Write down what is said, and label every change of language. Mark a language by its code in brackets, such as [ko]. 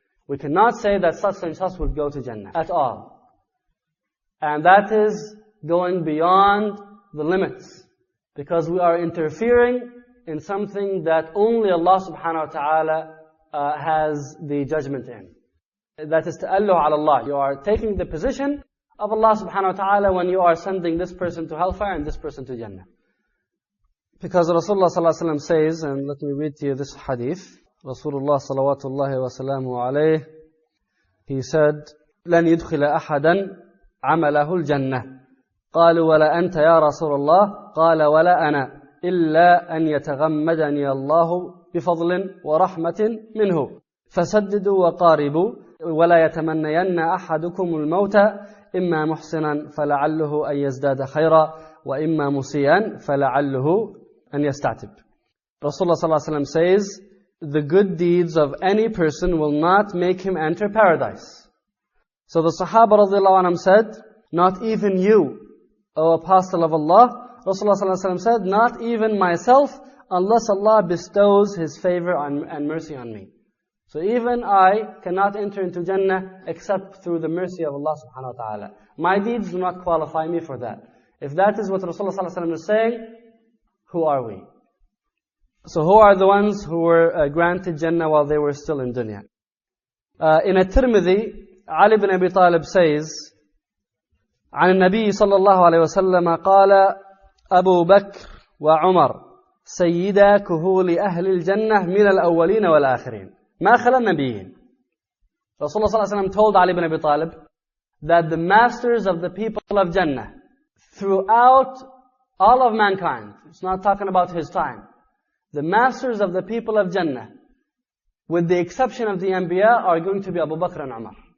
[en] We cannot say that such and such would go to Jannah at all. And that is going beyond the limits, because we are interfering in something that only Allah subhanahu wa ta'ala has the judgment in. That is ta'allu ala Allah. You are taking the position of Allah subhanahu wa ta'ala when you are sending this person to hellfire and this person to Jannah. Because Rasulullah sallallahu alayhi wa sallam says, and let me read to you this hadith, Rasulullah salawatullahi wa salamu alayhi, he said, [ar] لَنْ يُدْخِلَ أَحَدًا عَمَلَهُ الْجَنَّةِ قَالُ وَلَا أَنْتَ يَا رَسُولَ اللَّهِ قَالَ وَلَا أَنَا إِلَّا أَنْ يَتَغَمَّدَنِيَ اللَّهُ بِفَضْلٍ وَرَحْمَةٍ مِنْهُ فَسَدِّدُوا وَقَارِبُوا وَلَا يَتَمَنَّيَنَّ أَحَدُكُمُ الْمَوْتَ إِمَّا مُحْسِنًا فَلَعَلُّهُ أَنْ يَزْدَادَ خَيْرًا وَإِمَّا مُسِيًّا فَلَعَلُّهُ أَنْ يَسْتَعْتِبْ. [en] Rasulullah sallallahu alayhi wa sallam says, the good deeds of any person will not make him enter paradise. So the Sahaba radiallahu anhu said, not even you, O Apostle of Allah. Rasulullah sallallahu alayhi wa sallam said, not even myself, unless Allah bestows His favor and mercy on me. So even I cannot enter into Jannah except through the mercy of Allah subhanahu wa ta'ala. My deeds do not qualify me for that. If that is what Rasulullah sallallahu alayhi wa sallam is saying, who are we? So who are the ones who were granted Jannah while they were still in dunya? In At-Tirmidhi, Ali ibn Abi Talib says, [ar] عن النبي صلى الله عليه وسلم قال أبو بكر وعمر سيدا كهول أهل الجنة من الأولين والآخرين. ما خلى النبيين [en] Rasulullah sallallahu alayhi wa sallam told Ali ibn Abi Talib that the masters of the people of Jannah throughout all of mankind, it's not talking about his time, the masters of the people of Jannah, with the exception of the Anbiya, are going to be Abu Bakr and Umar.